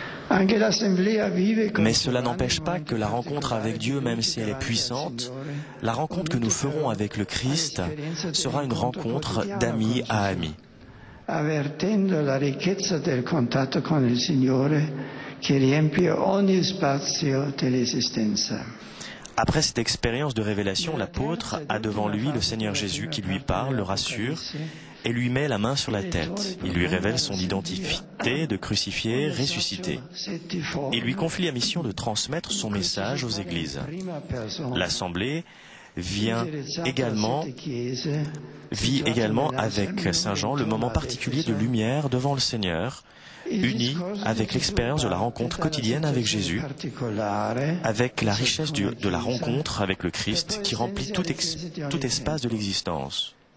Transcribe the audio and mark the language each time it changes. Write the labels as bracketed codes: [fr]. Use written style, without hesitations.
[fr] Mais cela n'empêche pas que la rencontre avec Dieu, même si elle est puissante, la rencontre que nous ferons avec le Christ sera une rencontre d'ami à ami. [it] Avvertendo la ricchezza del contatto con il Signore che riempie ogni spazio dell'esistenza. [fr] Après cette expérience de révélation, l'apôtre a devant lui le Seigneur Jésus qui lui parle, le rassure et lui met la main sur la tête. Il lui révèle son identité de crucifié, ressuscité. Il lui confie la mission de transmettre son message aux églises. L'assemblée vit également avec Saint Jean le moment particulier de lumière devant le Seigneur, unis avec l'expérience de la rencontre quotidienne avec Jésus, avec la richesse de la rencontre avec le Christ qui remplit tout espace de l'existence.